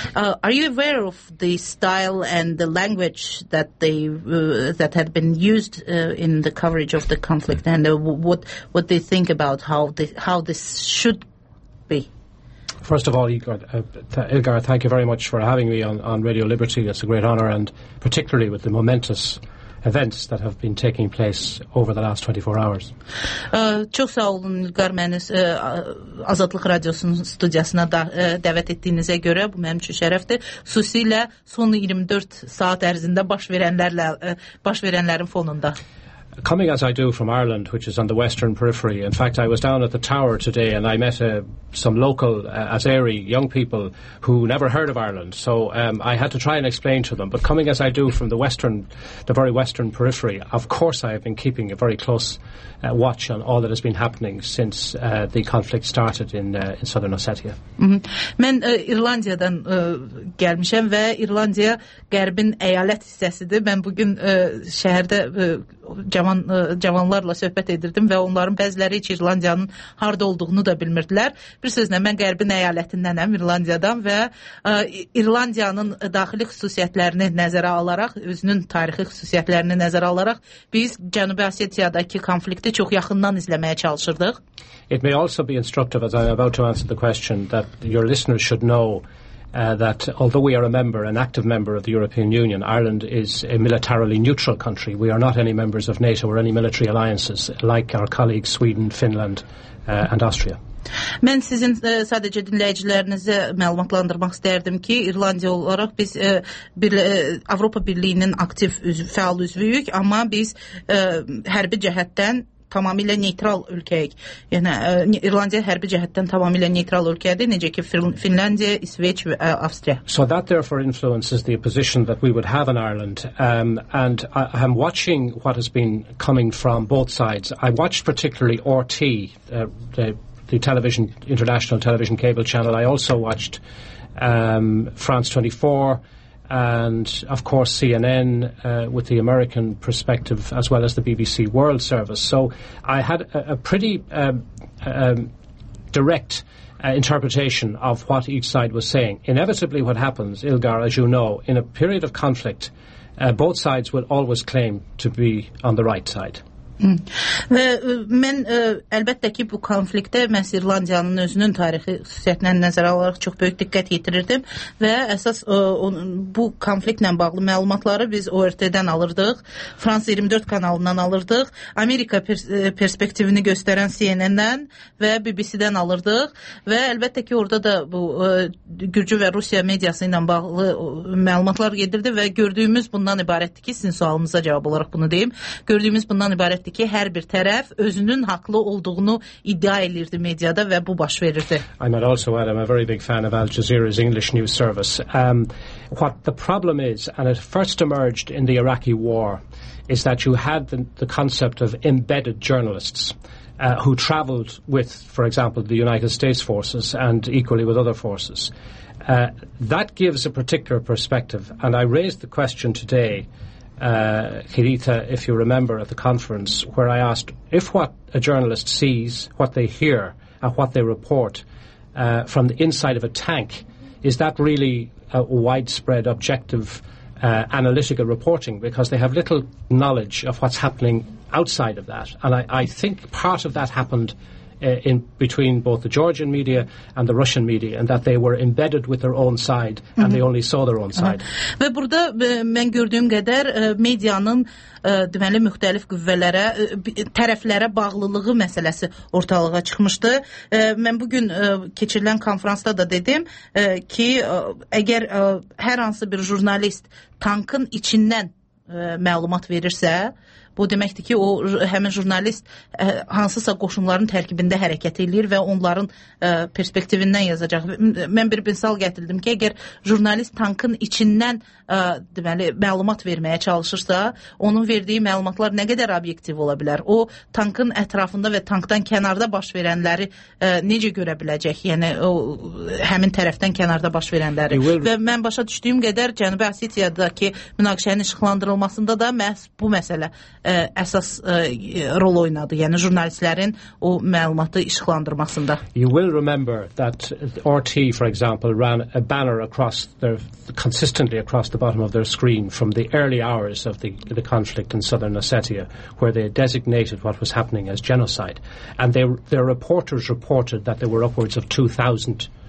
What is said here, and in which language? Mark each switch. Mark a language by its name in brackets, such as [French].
[English] Are you aware of the style and the language that they that had been used in the coverage of the conflict, and what they think about how this should be? First of all, Ilgar, thank you very much for having me on Radio Liberty. It's a great honour, and particularly with the momentous events that have been taking place over the last 24 hours. [Azerbaijani] Çox sağ olun İlqar Mənis, Azadlıq Radiosunun studiyasına dəvət etdiyinizə görə bu mənim üçün şərəfdir. Xüsusilə son 24 saat ərzində baş verənlərin fonunda. [English] Coming as I do from Ireland, which is on the western periphery, in fact, I was down at the tower today and I met some local Azeri young people who never heard of Ireland. So I had to try and explain to them. But coming as I do from the very western periphery, of course, I have been keeping a very close watch on all that has been happening since the conflict started in southern Ossetia. [Azerbaijani] Mən İrlandiyadan gəlmişəm və İrlandiya qərbin əyalət hissəsidir. Mən bugün şəhərdə cavanlarla söhbət edirdim və onların bəziləri heç İrlandiyanın harada olduğunu da bilmirdilər. Bir sözlə, mən qərbin əyalətindənəm, İrlandiyadan və İrlandiyanın daxili xüsusiyyətlərini nəzərə alaraq, özünün tarixi xüsusiyyətlərini nəzərə alaraq, biz Cənubi Asiyadakı konflikti çox yaxından izləməyə çalışırdıq. [English] It may also be instructive, as I'm about to answer the question, that your listeners should know that although we are a member, an active member of the European Union, Ireland is a militarily neutral country. We are not any members of NATO or any military alliances like our colleagues Sweden, Finland and Austria. [Azerbaijani] Mən sizin sadəcə dinləyicilərinizə məlumatlandırmaq istərdim ki, İrlandiya olaraq biz Avropa Birliyinin aktiv fəal üzvüyük, amma biz hərbi cəhətdən tamamilə neytral ölkəyik. Yəni, İrlandiya hərbi cəhətdən tamamilə neytral ölkədir, necə ki, Finlandiya, İsveç, Avstriya. [English] So that therefore influences the position that we would have in Ireland. And I am watching what has been coming from both sides. I watched particularly RT, the television, international television cable channel. I also watched France 24, and of course CNN with the American perspective, as well as the BBC World Service. So I had a pretty direct interpretation of what each side was saying. Inevitably what happens, Ilgar, as you know, in a period of conflict, both sides will always claim to be on the right side. [Azerbaijani] Və mən əlbəttə ki, bu konfliktdə məhz İrlandiyanın özünün tarixi xüsusiyyətlə nəzərə alaraq çox böyük diqqət yetirirdim və əsas bu konfliktlə bağlı məlumatları biz ORT-dən alırdıq, Fransa 24 kanalından alırdıq, Amerika perspektivini göstərən CNN-dən və BBC-dən alırdıq və əlbəttə ki, orada da bu Gürcü və Rusiya mediası ilə bağlı məlumatlar gedirdi və gördüyümüz bundan ibarətdir ki, sizin sualınıza cavab olaraq bunu deyim, gördüyümüz bundan ibarətdir ki, hər bir tərəf özünün haqlı olduğunu iddia edirdi mediada və bu baş verirdi. [English] I might also add, I'm a very big fan of Al Jazeera's English News Service. What the problem is, and it first emerged in the Iraqi war, is that you had the concept of embedded journalists who travelled with, for example, the United States forces and equally with other forces. That gives a particular perspective, and I raised the question today, Kirita, if you remember at the conference, where I asked if what a journalist sees, what they hear, and what they report from the inside of a tank, is that really a widespread objective analytical reporting? Because they have little knowledge of what's happening outside of that. And I think part of that happened in between both the Georgian media and the Russian media, and that they were embedded with their own side and they only saw their own side. [Azerbaijani] Və burada mən gördüyüm qədər medianın deməli müxtəlif qüvvələrə, tərəflərə bağlılığı məsələsi ortalığa çıxmışdı. Mən bugün keçirilən konfransda da dedim ki, əgər hər hansı bir jurnalist tankın içindən məlumat verirsə, bu deməkdir ki, o həmin jurnalist hansısa qoşunların tərkibində hərəkət edir və onların perspektivindən yazacaq. Mən bir misal gətirdim ki, əgər jurnalist tankın içindən deməli, məlumat verməyə çalışırsa, onun verdiyi məlumatlar nə qədər obyektiv ola bilər? O tankın ətrafında və tankdan kənarda baş verənləri necə görə biləcək? Yəni, o həmin tərəfdən kənarda baş verənləri. Və mən başa düşdüyüm qədər Cənubi Asitiyadakı münaqişənin işıqlandırılmasında da məhz bu məsələ əsas rol oynadı, yəni jurnalistlərin o məlumatı işıqlandırmasında. [English] You will remember that RT, for example, ran a banner across their, consistently across the bottom of their screen from the early hours of the conflict in southern Ossetia, where they designated what was happening as genocide. And their reporters reported that there were upwards of 2,000